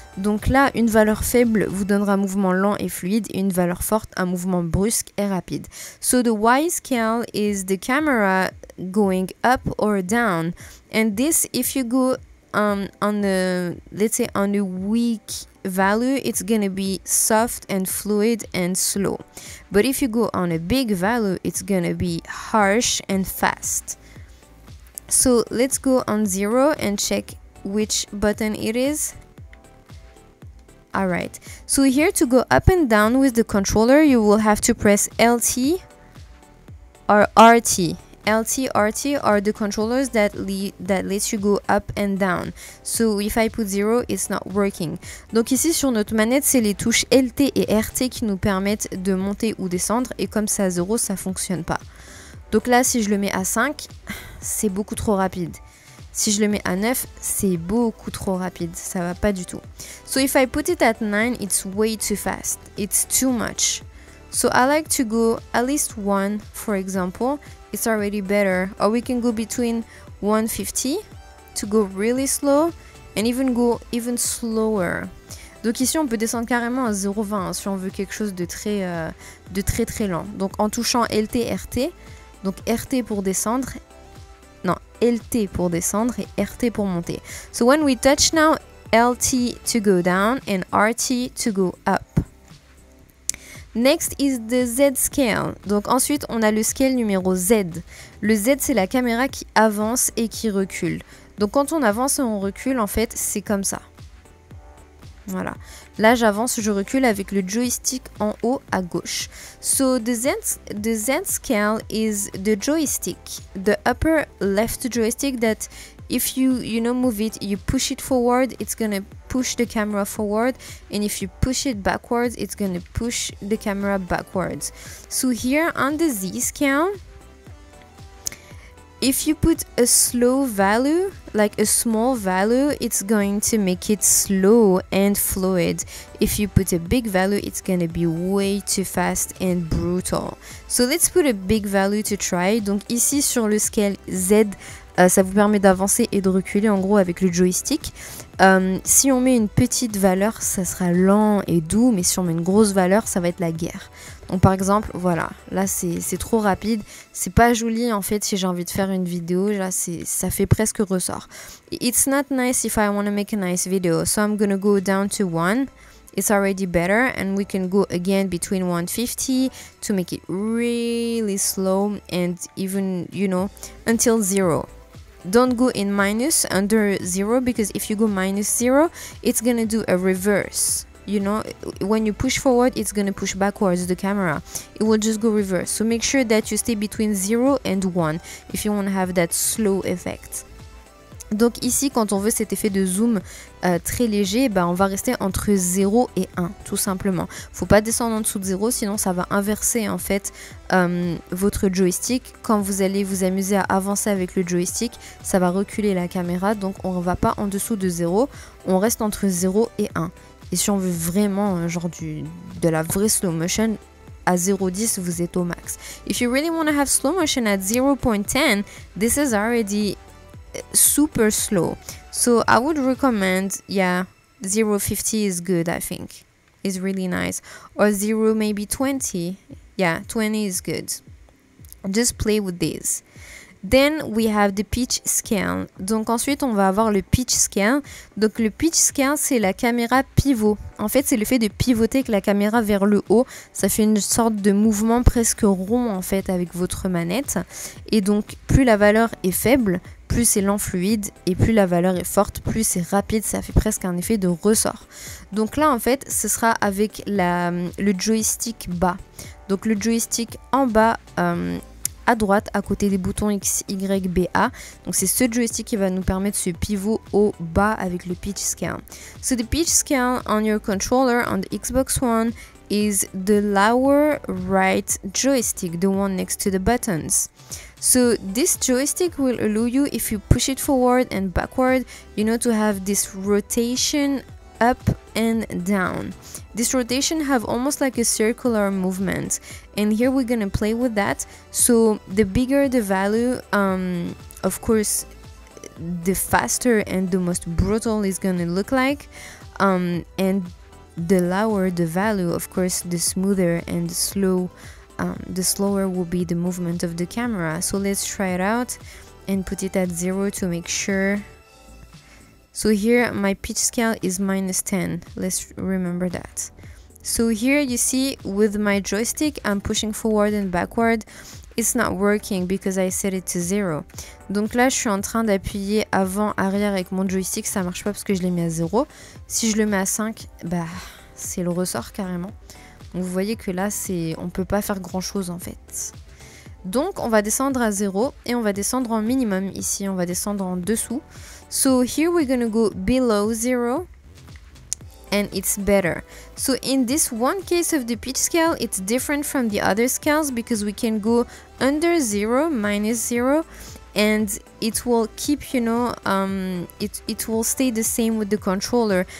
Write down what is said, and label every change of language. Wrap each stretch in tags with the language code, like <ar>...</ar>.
<fr>Donc là, une valeur faible vous donnera mouvement lent et fluide. Et une valeur forte, un mouvement brusque et rapide.</fr> <en>So the Y scale is the camera going up or down. And this, if you go on a weak value, it's gonna be soft and fluid and slow. But if you go on a big value, it's gonna be harsh and fast. So let's go on 0 and check which button it is. Alright, so here to go up and down with the controller, you will have to press LT or RT. LT, RT are the controllers that let you go up and down. So if I put 0, it's not working.</en> <fr>Donc ici sur notre manette, c'est les touches LT et RT qui nous permettent de monter ou descendre. Et comme c'est à 0, ça ne fonctionne pas. Donc là, si je le mets à 5, c'est beaucoup trop rapide. Si je le mets à 9, c'est beaucoup trop rapide. Ça va pas du tout.</fr> <en>So if I put it at 9, it's way too fast. It's too much. So I like to go at least 1, for example. It's already better. Or we can go between 1.50 to go really slow and even go even slower.</en> <fr>Donc ici, on peut descendre carrément à 0.20 si on veut quelque chose de très lent. Donc en touchant LT, RT... Donc RT pour descendre, non, LT pour descendre et RT pour monter.</fr> <en>So when we touch now, LT to go down and RT to go up. Next is the Z scale.</en> <fr>Donc ensuite, on a le scale numéro Z. Le Z, c'est la caméra qui avance et qui recule. Donc quand on avance et on recule, en fait, c'est comme ça. Voilà. Là, j'avance, je recule avec le joystick en haut à gauche.</fr> <en>So, the Z scale is the joystick, the upper left joystick that if you move it, you push it forward, it's gonna push the camera forward. And if you push it backwards, it's gonna push the camera backwards. So, here on the Z scale, if you put a slow value, like a small value, it's going to make it slow and fluid. If you put a big value, it's going to be way too fast and brutal. So let's put a big value to try.</en> <fr>Donc ici sur le scale Z, ça vous permet d'avancer et de reculer en gros avec le joystick. Si on met une petite valeur, ça sera lent et doux, mais si on met une grosse valeur, ça va être la guerre. Donc par exemple, voilà, là c'est trop rapide, c'est pas joli en fait si j'ai envie de faire une vidéo, là ça fait presque ressort.</fr> <en>It's not nice if I want to make a nice video, so I'm gonna go down to 1. It's already better and we can go again between 150 to make it really slow and even, you know, until 0. Don't go in minus under 0 because if you go minus 0, it's gonna do a reverse. You know, when you push forward, it's gonna push backwards the camera. It will just go reverse. So make sure that you stay between 0 and 1 if you want to have that slow effect.</en> <fr>Donc ici, quand on veut cet effet de zoom très léger, bah, on va rester entre 0 et 1, tout simplement. Faut pas descendre en dessous de 0, sinon ça va inverser en fait votre joystick. Quand vous allez vous amuser à avancer avec le joystick, ça va reculer la caméra. Donc on va pas en dessous de 0, on reste entre 0 et 1. Et si on veut vraiment genre de la vraie</fr> <en>slow motion,</en> <fr>à 0.10, vous êtes au max.</fr> <en>If you really want to have slow motion at 0.10, this is already super slow. So I would recommend, yeah, 0.50 is good, I think. It's really nice. Or 0, maybe 20. Yeah, 20 is good. Just play with these. Then we have the pitch scale.</en> <fr>Donc ensuite, on va avoir le pitch scale. Donc le pitch scale, c'est la caméra pivot. En fait, c'est le fait de pivoter avec la caméra vers le haut. Ça fait une sorte de mouvement presque rond, en fait, avec votre manette. Et donc, plus la valeur est faible, plus c'est lent fluide et plus la valeur est forte, plus c'est rapide, ça fait presque un effet de ressort. Donc là, en fait, ce sera avec le joystick bas. Donc le joystick en bas, à droite, à côté des boutons X, Y, B, A. Donc c'est ce joystick qui va nous permettre ce pivot au bas avec le pitch scale.</fr> <en>So the pitch scale on your controller on the Xbox One is the lower right joystick, the one next to the buttons. So this joystick will allow you, if you push it forward and backward, you know, to have this rotation up and down. This rotation have almost like a circular movement. And here we're gonna play with that. So the bigger the value, of course, the faster and the most brutal is gonna look like. And the lower the value, of course, the smoother and the slow. The slower will be the movement of the camera. So let's try it out and put it at 0 to make sure. So here my pitch scale is minus 10. Let's remember that. So here you see with my joystick, I'm pushing forward and backward. It's not working because I set it to 0.</en> <fr>Donc là, je suis en train d'appuyer avant, arrière avec mon joystick. Ça marche pas parce que je l'ai mis à 0. Si je le mets à 5, bah, c'est le ressort carrément. Donc vous voyez que là, on ne peut pas faire grand-chose en fait. Donc on va descendre à 0 et on va descendre en minimum ici. On va descendre en dessous.</fr> <en>So here we're going to go below 0 and it's better. So in this one case of the pitch scale, it's different from the other scales because we can go under 0, minus 0. And it will keep, you know, it will stay the same with the controller.</en>